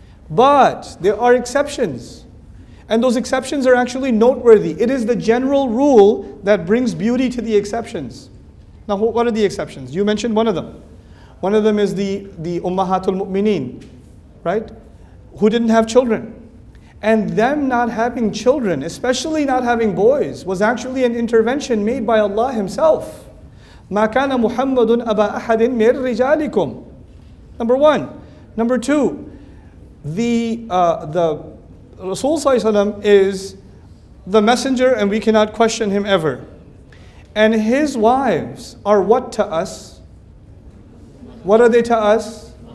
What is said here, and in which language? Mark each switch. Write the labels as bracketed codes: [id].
[en] But there are exceptions. And those exceptions are actually noteworthy. It is the general rule that brings beauty to the exceptions. Now, what are the exceptions? You mentioned one of them. One of them is the Ummahatul Mu'mineen, right? Who didn't have children. And them not having children, especially not having boys, was actually an intervention made by Allah Himself. [ar] مَا كَانَ مُحَمَّدٌ أَبَا أَحَدٍ مِنْ رِجَالِكُمْ. [en] Number one. Number two, the Rasul is the messenger and we cannot question him ever. And his wives are what to us? What are they to us?